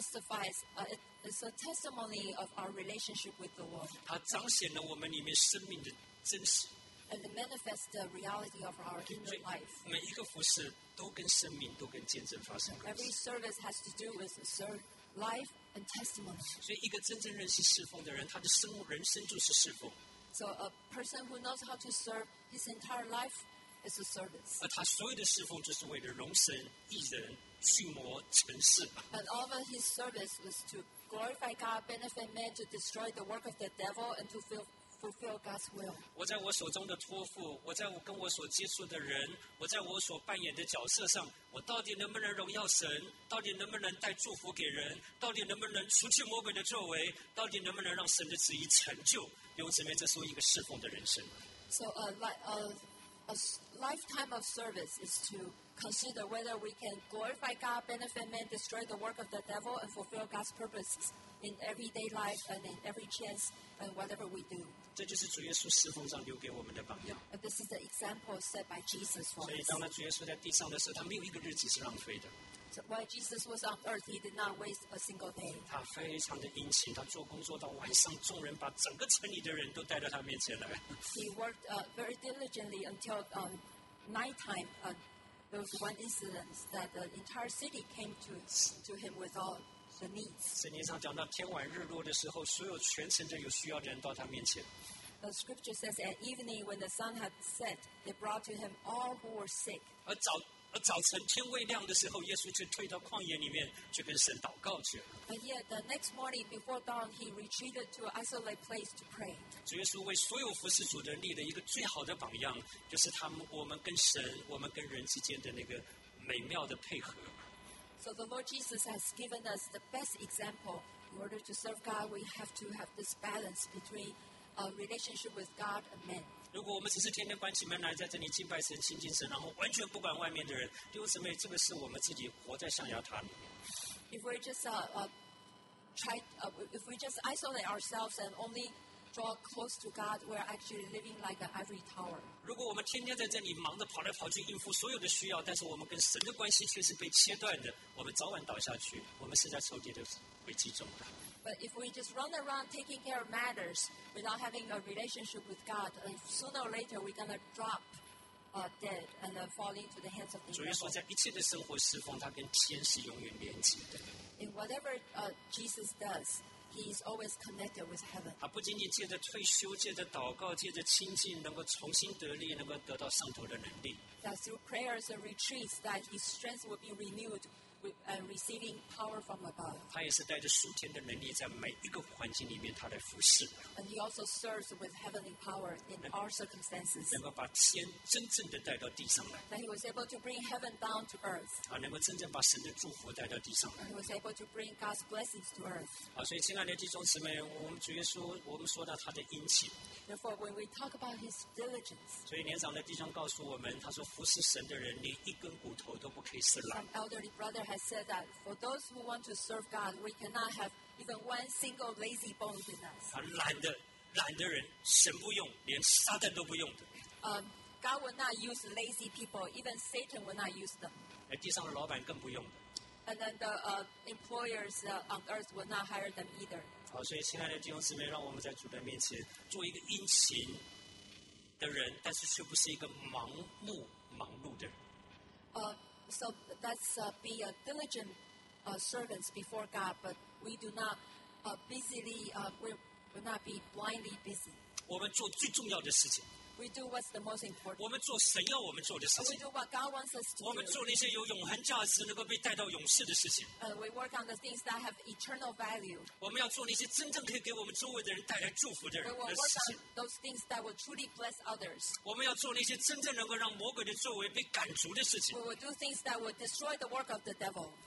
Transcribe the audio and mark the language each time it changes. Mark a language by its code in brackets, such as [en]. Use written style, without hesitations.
[en] Testifies It's a testimony of our relationship with the Lord. [zh] 它彰显了我们里面生命的真实。 [en] And it manifests the reality of our inner life. [zh] 每一个服事都跟生命都跟见证发生关系。 [en] Every service has to do with life and testimony. [zh] 所以一个真正认识侍奉的人，他的人生就是侍奉。 [en] So a person who knows how to serve his entire life is a service. [zh] 而他所有的侍奉就是为了荣神、益人、驯魔、成事。 [en] And all of his service was to glorify God, benefit men, to destroy the work of the devil, and to fulfill fulfill God's will. [zh] 我在我手中的托付，我在我跟我所接触的人，我在我所扮演的角色上，我到底能不能荣耀神？到底能不能带祝福给人？到底能不能除去魔鬼的作为？到底能不能让神的旨意成就？弟兄姊妹，这是一个侍奉的人生。 [en] So a lifetime of service is to consider whether we can glorify God, benefit men, destroy the work of the devil, and fulfill God's purposes in everyday life and in every chance and whatever we do. [zh] 这就是主耶稣侍奉上留给我们的榜样。 [en] This is the example set by Jesus for us. [zh] 所以当主耶稣在地上的时候，他没有一个日子是浪费的。 [en] So while Jesus was on earth, he did not waste a single day. [zh] 他非常的殷勤，他做工作到晚上，众人把整个城里的人都带到他面前来。 [en] He worked very diligently until night time. There was one incident that the entire city came to him with all the needs. [zh] 圣经上讲到天晚日落的时候，所有全城的有需要的人到他面前。 [en] The scripture says, at evening when the sun had set, they brought to him all who were sick. [zh] 而早晨天未亮的时候，耶稣却退到旷野里面去跟神祷告去了。 [en] But yet, the next morning before dawn, he retreated to an isolated place to pray. [zh] 主耶稣为所有服侍主的人立的一个最好的榜样，就是他们我们跟神、我们跟人之间的那个美妙的配合。 [en] So the Lord Jesus has given us the best example. In order to serve God, we have to have this balance between a relationship with God and men. [zh] 如果我们只是天天关起门来在这里敬拜神、亲近神，然后完全不管外面的人，弟兄姊妹，这个是我们自己活在象牙塔里面。 [en] If we just isolate ourselves and only draw close to God, we're actually living like an ivory tower. [zh] 如果我们天天在这里忙着跑来跑去应付所有的需要，但是我们跟神的关系却是被切断的，我们早晚倒下去，我们是在仇敌的诡计中的。 [en] But if we just run around taking care of matters without having a relationship with God, sooner or later we're going to drop dead and fall into the hands of the devil. [zh] 主耶稣在一切的生活侍奉，他跟天是永远连接的。 [en] In whatever Jesus does, he is always connected with heaven. [zh] 他不仅仅借着退休、借着祷告、借着亲近，能够重新得力，能够得到上头的能力。 [en] That through prayers and retreats, that his strength will be renewed. And receiving power from above. [zh] 他也是带着属天的能力，在每一个环境里面，他来服侍。 [en] And he also serves with heavenly power in our circumstances. [zh] 能够把天真正的带到地上来。 [en] That he was able to bring heaven down to earth. [zh] 啊，能够真正把神的祝福带到地上来。 [en] He was able to bring God's blessings to earth. [zh] 啊，所以亲爱的弟兄姊妹，我们主耶稣，我们说到他的殷勤。 [en] Therefore, when we talk about his diligence, [zh] 所以年长的弟兄告诉我们，他说服侍神的人，连一根骨头都不可以是懒。 [en] Some elderly brother has said that for those who want to serve God, we cannot have even one single lazy bone in us. [zh] 懒的人，神不用，连撒旦都不用的。 [en] God will not use lazy people, even Satan will not use them. [zh] 地上的老板更不用的。 [en] And then the employers on earth will not hire them either. [zh] 好，所以亲爱的弟兄姊妹，让我们在主的面前做一个殷勤的人，但是却不是一个盲目忙碌的人。 [en] So let's be a diligent servants before God, but we do not busily. We will not be blindly busy. [zh] 我们做最重要的事情。 [en] We do what's the most important. [zh] 我们做神要我们做的事情。 [en] We do what God wants us to do. [zh] 我们做那些有永恒价值、能够被带到永世的事情。 [en] We work on the things that have eternal value. [zh] 我们要做那些真正可以给我们周围的人带来祝福的人的事情。 [en] We work on those things that will truly bless others. [zh] 我们要做那些真正能够让魔鬼的作为被赶逐的事情。 [en] We will do things that will destroy the work of the devil.